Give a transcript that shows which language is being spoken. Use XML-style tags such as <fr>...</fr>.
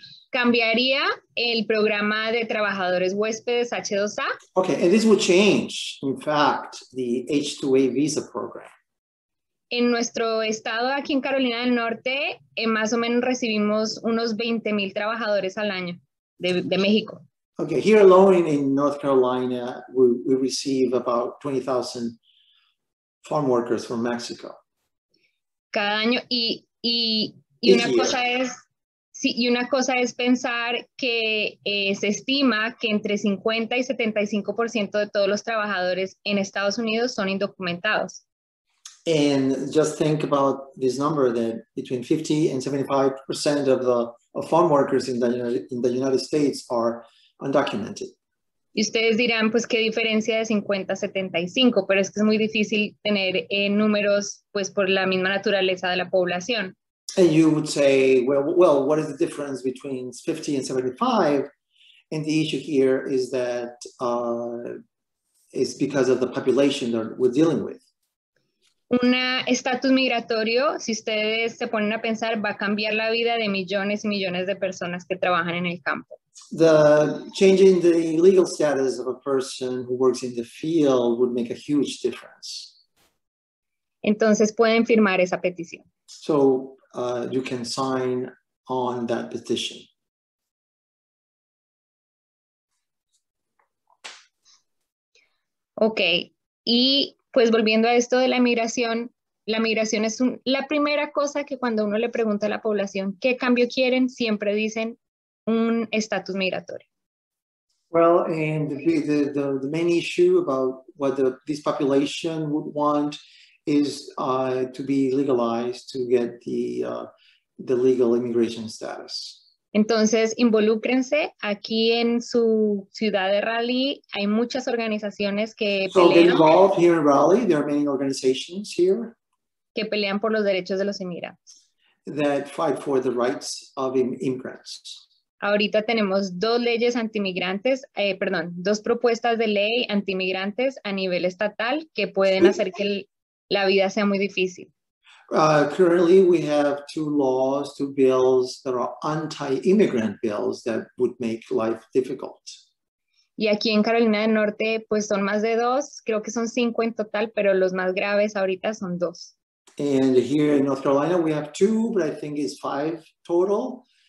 <es>cambiaría el programa de trabajadores huéspedes H2A?</es> <en>Okay, and this will change, in fact, the H2A visa program.</en> <es>En nuestro estado, aquí en Carolina del Norte, más o menos recibimos unos 20,000 trabajadores al año de México.</es> <en>Okay, here alone in North Carolina, we receive about 20,000 farm workers from Mexico.</en> <es>Cada año, y una cosa es pensar que se estima que entre 50 y 75% de todos los trabajadores en Estados Unidos son indocumentados.</es> <en>And just think about this number that between 50 and 75% of farm workers in the United States are undocumented.</en> <es>Y ustedes dirán, pues, ¿qué diferencia de 50 a 75? Pero es que es muy difícil tener números, pues, por la misma naturaleza de la población.</es> <en>And you would say, well, what is the difference between 50 and 75? And the issue here is that it's because of the population that we're dealing with.</en> <es>Un estatus migratorio, si ustedes se ponen a pensar, va a cambiar la vida de millones y millones de personas que trabajan en el campo.</es> <en>The changing the legal status of a person who works in the field would make a huge difference.</en> <es>Entonces pueden firmar esa petición.</es> <en>So you can sign on that petition.</en> <es>Okay, y pues volviendo a esto de la migración es la primera cosa que cuando uno le pregunta a la población qué cambio quieren, siempre dicen un estatus migratorio.</es> <en>Well, and the main issue about what this population would want is to be legalized, to get the legal immigration status.</en> <es>Entonces, involúcrense. Aquí en su ciudad de Raleigh hay muchas organizaciones que pelean.</es> <en>So get involved here in Raleigh. There are many organizations here.</en> <es>Que pelean por los derechos de los inmigrantes.</es> <en>That fight for the rights of immigrants.</en> <es>Ahorita tenemos dos leyes antimigrantes, perdón, dos propuestas de ley antimigrantes a nivel estatal que pueden hacer que la vida sea muy difícil.</es> <en>Currently, we have two laws, two bills that are anti-immigrant bills that would make life difficult.</en> <es>Y aquí en Carolina del Norte, pues son más de dos, creo que son cinco en total, pero los más graves ahorita son dos.</es> <en>And here in North Carolina, we have two, but I think it's five total.</en>